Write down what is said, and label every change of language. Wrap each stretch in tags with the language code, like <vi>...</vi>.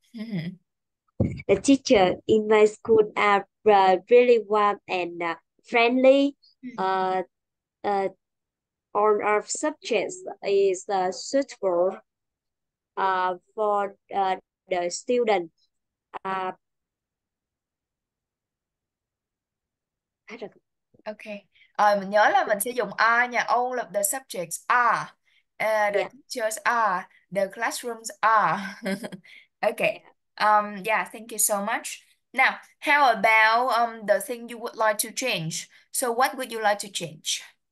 <en>The teacher in my school are really warm and friendly. All our subjects is suitable for the student.</en> <vi>Okay, nhớ là mình sẽ dùng are nha.</vi> <en>All of the subjects are, the teachers are, the classrooms are. Okay, yeah, thank you so much. Now, how about the thing you would like to change? So, what would you like to change?</en>